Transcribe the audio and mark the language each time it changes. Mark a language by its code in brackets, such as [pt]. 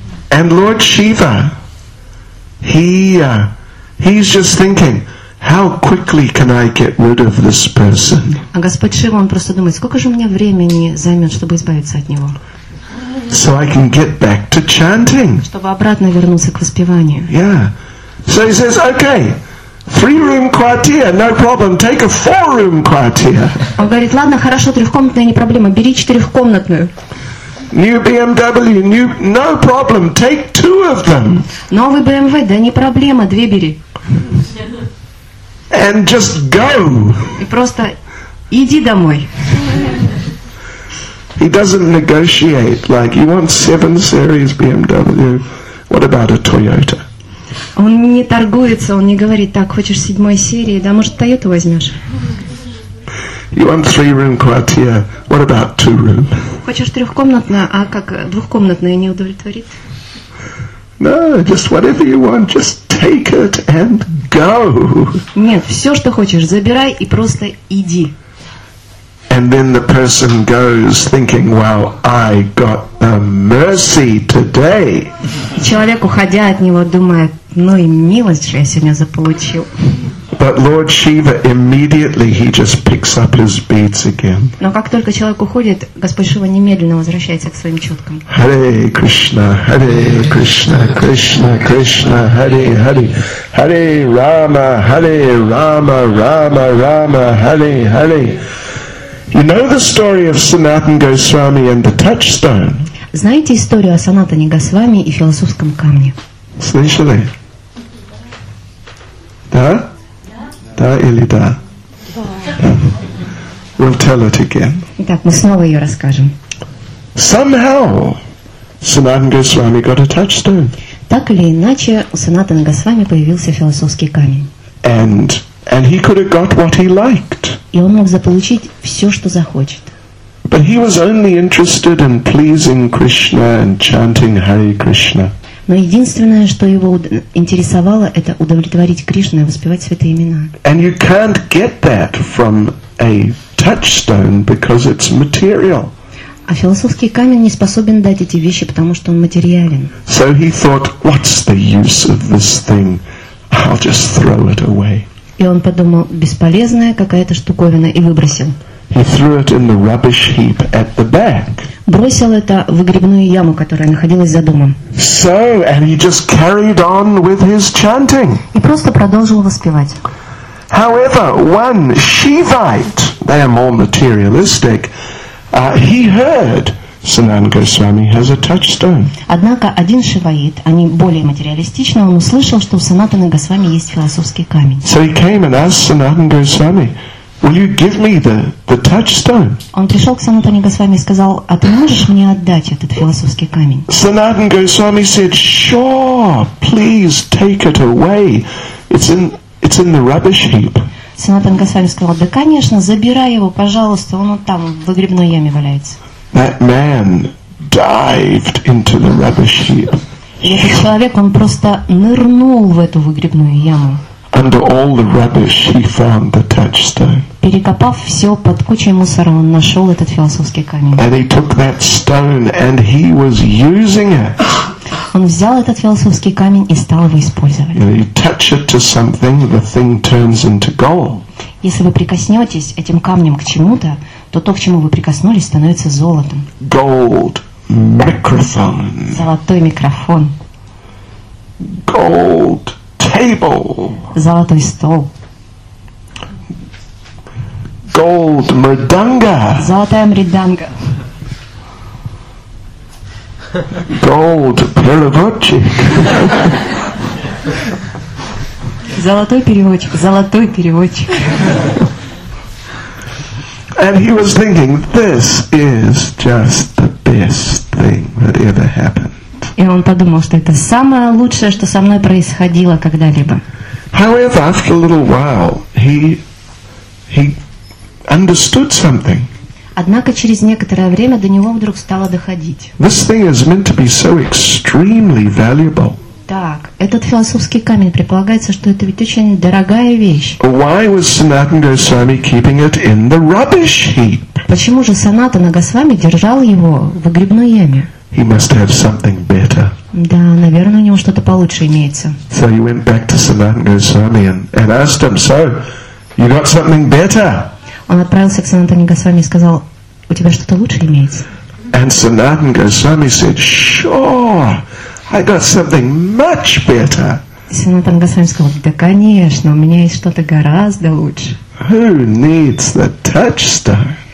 [en] And Lord Shiva, he's just thinking, how quickly can I get rid of this person? [ru] А Господь Шива, он просто думает, сколько же у меня времени займет, чтобы избавиться от него? [en] So I can get back to chanting. [ru] Чтобы обратно вернуться к воспеванию. [en] Yeah. So he says, okay, three-room quartier, no problem, take a four-room quartier. [ru] Он говорит, ладно, хорошо, трехкомнатная, не проблема, бери четырехкомнатную. [en] New BMW, new, no problem, take two of them. [ru] Новый BMW, да не проблема, две бери. [en] And just go. [ru] И просто иди домой. [en] He doesn't negotiate, like, you want 7 series BMW, what about a Toyota? [ru] Он не торгуется, он не говорит, так, хочешь седьмой серии, да, может, Тойоту возьмешь? [en] You want three-room quartier, what about two-room? [ru] Хочешь трехкомнатную, а как двухкомнатную не удовлетворит? [en] No, just whatever you want, just take it and go. [ru] Нет, все, что хочешь, забирай и просто иди. [en] And then the person goes thinking, wow, I got the mercy today. [ru] И человек, уходя от него, думает, ну и милость же я сегодня заполучил. [en] But Lord Shiva, immediately he just picks up his beads again. [ru] Но как только человек уходит, Господь Шива немедленно возвращается к своим четкам. [sa] Hare Krishna, Hare Krishna, Krishna Krishna, Hare Hare, Hare Rama, Hare Rama, Rama Rama, Hare Hare. [en] You know the story of Sanatan Goswami and the touchstone? [ru] Знаете историю о Санатане Госвами и философском камне? Слышали? Да? Да или да? Да. [en] We'll tell it again. [ru] Итак, мы снова ее расскажем. [en] Somehow Sanatan Goswami got a touchstone. [ru] Так или иначе у Санатана Госвами появился философский камень. [en] And he could have got what he liked. [ru] И он мог заполучить все, что захочет. [en] But he was only interested in pleasing Krishna and chanting Hare Krishna. [ru] Но единственное, что его интересовало, это удовлетворить Кришну и воспевать святые имена. [en] And you can't get that from a touchstone because it's material. [ru] А философский камень не способен дать эти вещи, потому что он материален. [en] So he thought, what's the use of this thing? I'll just throw it away. [ru] И он подумал, бесполезная какая-то штуковина, и выбросил. [en] He threw it in the rubbish heap at the back. [ru] Бросил это в выгребную яму, которая находилась за домом. [en] So, and he just carried on with his chanting. [ru] И просто продолжил воспевать. [en] However, one Shivite, they are more materialistic, he heard Sanan Goswami has a touchstone. [ru] Однако один шиваит, они более материалистичны, он услышал, что у Санатана Госвами есть философский камень. [en] So he came and asked Sanatana Goswami, will you give me the touchstone? [ru] Он пришел к Санатане Госвами и сказал, а ты можешь мне отдать этот философский камень? [en] Sanatana Goswami said, sure, please take it away. It's in the rubbish heap. [ru] Санатана Госвами сказал, да конечно, забирай его, пожалуйста, он вот там в выгребной яме валяется. [en] That man dived into the rubbish heap. [ru] Этот человек, он просто нырнул в эту выгребную яму. [en] Under all the rubbish, he found the touchstone. [ru] Перекопав все под кучей мусора, он нашел этот философский камень. [en] And he took that stone, and he was using it. [ru] Он взял этот философский камень и стал его использовать. [en] You know, you touch it to something, the thing turns into gold. [ru] Если вы прикоснетесь этим камнем к чему-то, то, к чему вы прикоснулись, становится золотом. [en] Gold microphone. [ru] Золотой микрофон. [en] Gold table. [ru] Золотой стол. [en] Gold мриданга. [ru] Золотая мриданга. [en] Gold [ru] переводчик. Золотой переводчик. [en] And he was thinking, this is just the best thing that ever happened. [ru] И он подумал, что это самое лучшее, что со мной происходило когда-либо. [en] However, after a little while, he understood something. [ru] Однако через некоторое время до него вдруг стало доходить. [en] This thing is meant to be so extremely valuable. [ru] Так, этот философский камень, предполагается, что это ведь очень дорогая вещь. [en] Why was Sanatana Goswami keeping it in the rubbish heap? [ru] Почему же Санатана Госвами держал его в выгребной яме? [en] He must have something better. [ru] Да, наверное, у него что-то получше имеется. [en] So he went back to Sanatana Goswami and asked him, so, you got something better? [ru] Он отправился к Санатане Госвами и сказал, у тебя что-то лучше имеется? [en] And Sanatana Goswami said, sure. I got something much better. [ru] Санатан Госвами сказал, да конечно, у меня есть что-то гораздо лучше. [en] Who needs the touchstone?